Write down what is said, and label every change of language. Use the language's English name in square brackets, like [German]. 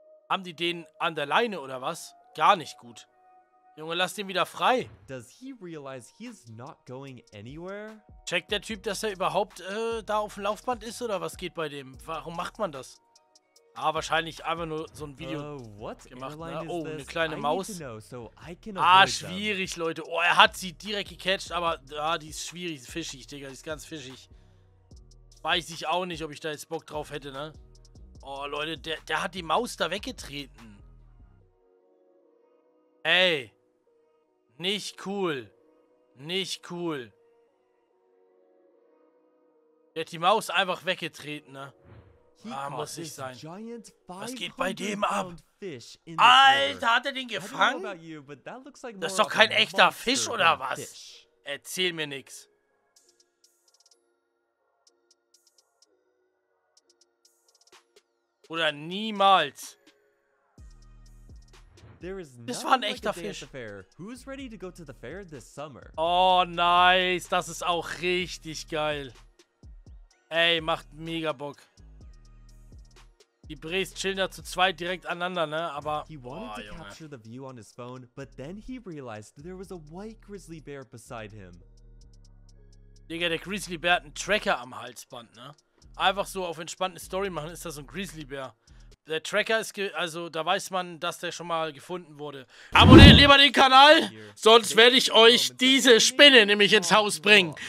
[German] Haben die den an der Leine oder was? Gar nicht gut. Junge, lass den wieder frei. [English] Does he realize he's not going anywhere? [German] Checkt der Typ, dass er überhaupt da auf dem Laufband ist oder was geht bei dem? Warum macht man das? Ah, wahrscheinlich einfach nur so ein Video gemacht. Ne? Oh, eine kleine Maus. Ah, schwierig, Leute. Oh, er hat sie direkt gecatcht, aber ah, die ist schwierig, fischig, Digga. Die ist ganz fischig. Weiß ich auch nicht, ob ich da jetzt Bock drauf hätte, ne? Oh, Leute, der hat die Maus da weggetreten. Ey. Nicht cool. Nicht cool. Der hat die Maus einfach weggetreten, ne? Ah, muss ich sein. Was geht bei dem ab? Alter, hat er den gefangen? Das ist doch kein echter Fisch, oder was? Erzähl mir nix. Oder niemals. Das war ein echter Fisch. [English] Who's ready to go to the fair this summer? Oh, nice. [German] Das ist auch richtig geil. Ey, macht mega Bock. Die Brees chillen da zu zweit direkt aneinander, ne? Aber, [English] he wanted to capture the view on his phone, but then he realized there was a white grizzly bear beside him. [German] Digga, der Grizzly Bear hat einen Tracker am Halsband, ne? Einfach so auf entspannte Story machen, ist das so ein Grizzly Bear. Der Tracker ist, also da weiß man, dass der schon mal gefunden wurde. Abonniert lieber den Kanal, sonst werde ich euch diese Spinne nämlich ins Haus bringen.